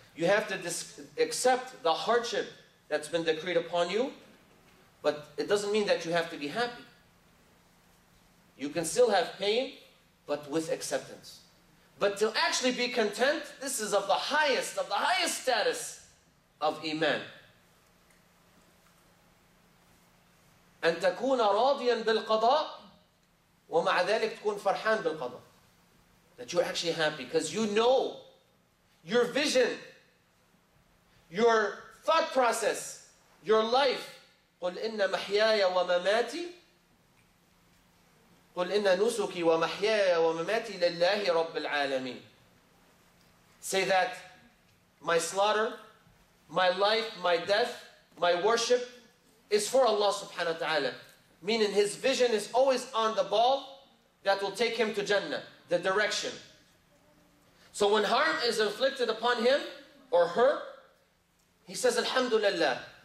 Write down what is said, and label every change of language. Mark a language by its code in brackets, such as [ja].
[en] You have to accept the hardship that's been decreed upon you, but it doesn't mean that you have to be happy. You can still have pain, but with acceptance. But to actually be content, this is of the highest status of Iman. [ar] أن تكون راضيا بالقضاء ومع ذلك تكون فرحان بالقضاء. [en] That you're actually happy because you know your vision, your thought process, your life. [ar] قل إن محياي ومماتي قل إن نسكي ومحياي ومماتي لله رب العالمين. [en] Say that my slaughter, my life, my death, my worship is for Allah subhanahu wa ta'ala. Meaning his vision is always on the ball that will take him to Jannah, the direction. So when harm is inflicted upon him or her, he says Alhamdulillah.